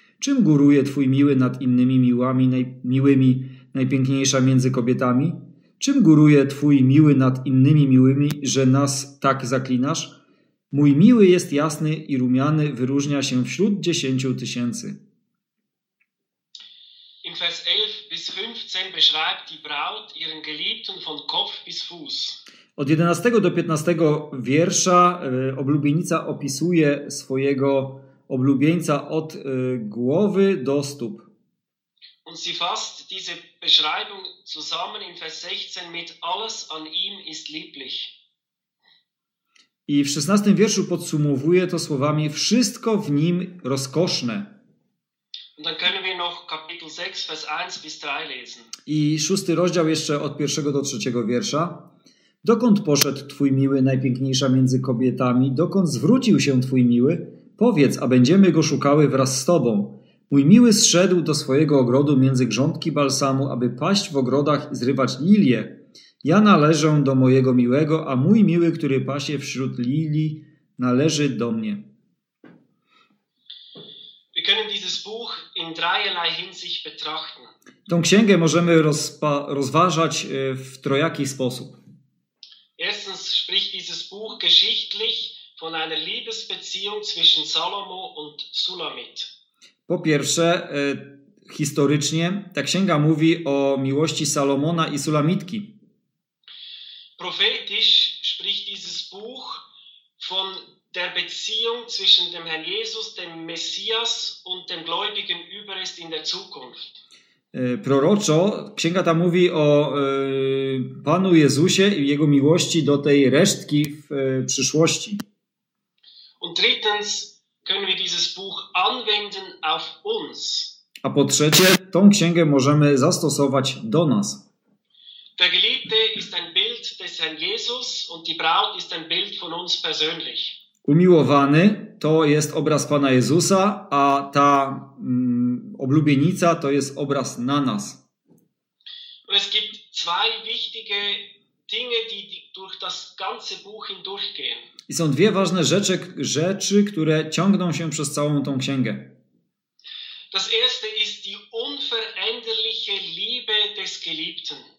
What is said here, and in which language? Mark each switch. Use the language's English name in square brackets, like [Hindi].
[Polish] Czym góruje twój miły nad innymi miłami, miłymi, najpiękniejsza między kobietami? Czym góruje twój miły nad innymi miłymi, że nas tak zaklinasz? Mój miły jest jasny i rumiany, wyróżnia się wśród 10 000. [German] In Vers 11 bis 15 beschreibt die Braut ihren Geliebten von Kopf bis Fuß. [Polish] Od 11 do 15 wiersza oblubienica opisuje swojego oblubieńca od głowy do stóp. [German] Und sie fasst diese Beschreibung zusammen in Vers 16 mit alles an ihm ist lieblich. [Polish] I w 16 wierszu podsumowuje to słowami wszystko w nim rozkoszne. [German] Und dann können wir noch Kapitel 6 Vers 1 bis 3 lesen. [Polish] I 6 rozdział jeszcze od 1 do 3 wiersza. Dokąd poszedł Twój miły, najpiękniejsza między kobietami? Dokąd zwrócił się Twój miły? Powiedz, a będziemy go szukały wraz z Tobą. Mój miły zszedł do swojego ogrodu między grządki balsamu, aby paść w ogrodach i zrywać lilie. Ja należę do mojego miłego, a mój miły, który pasie wśród lilii, należy do mnie. [German] Wir können dieses Buch in dreierlei Hinsicht betrachten. [Polish] Tą księgę możemy rozważać w trojaki sposób. [German] Erstens spricht dieses Buch geschichtlich von einer Liebesbeziehung zwischen Salomo und Sulamit. [Polish] Po pierwsze, historycznie ta księga mówi o miłości Salomona i Sulamitki. [German] Prophetisch spricht dieses Buch von der Beziehung zwischen dem Herrn Jesus, dem Messias und dem gläubigen Überrest in der Zukunft. [Polish] Proroczo księga ta mówi o Panu Jezusie i jego miłości do tej resztki w przyszłości. [German] Und drittens können wir dieses Buch anwenden auf uns. [Polish] A po trzecie, tą księgę możemy zastosować do nas. [German] Der Geliebte ist ein Bild des Herrn Jesus und die Braut ist ein Bild von uns persönlich. [Polish] Umiłowany to jest obraz Pana Jezusa, a ta oblubienica to jest obraz na nas. [German] Es gibt zwei wichtige Dinge, die durch das ganze Buch hindurchgehen. [Polish] I są dwie ważne rzeczy, które ciągną się przez całą tą księgę. [German] Das erste ist die unveränderliche Liebe des Geliebten.